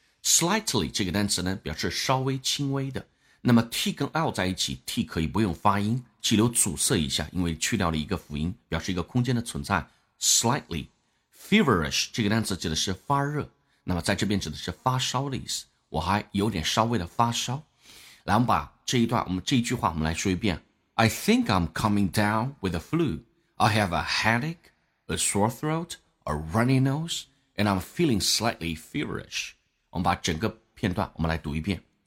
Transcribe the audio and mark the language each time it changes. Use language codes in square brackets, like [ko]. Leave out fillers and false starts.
[zh] slightly 这个单词呢表示稍微轻微的，那么 T 跟 L 在一起， T 可以不用发音，气流阻塞一下，因为去掉了一个辅音表示一个空间的存在。 slightly feverish 这个单词指的是发热，那么在这边指的是发烧的意思，我还有点稍微的发烧。来，我们把这一段，我们这一句话我们来说一遍。 [en] I think I'm coming down with the flu. I have a headache, a sore throat, a runny nose, and I'm feeling slightly feverish. [zh] 我们把整个片段我们来读一遍。